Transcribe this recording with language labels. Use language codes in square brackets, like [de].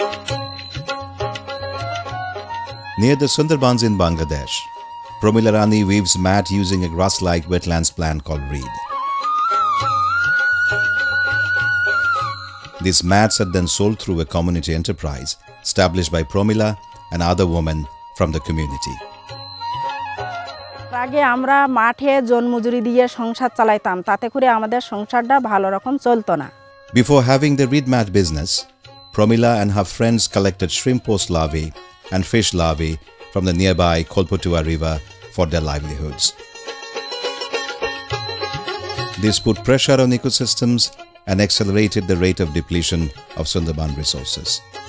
[en] Near the Sundarbans in Bangladesh, Promilarani weaves mat using a grass-like wetlands plant called reed. These mats are then sold through a community enterprise established by Promila and other women from the community. [bn] আগে আমরা মাঠে জন মজুরি দিয়ে সংসার চালাইতাম, তাতে করে আমাদের সংসারটা ভালো রকম চলতো না. [en] Before having the reed mat business, Promila and her friends collected shrimp post larvae and fish larvae from the nearby Kolpotua river for their livelihoods. This put pressure on ecosystems and accelerated the rate of depletion of Sundarban resources.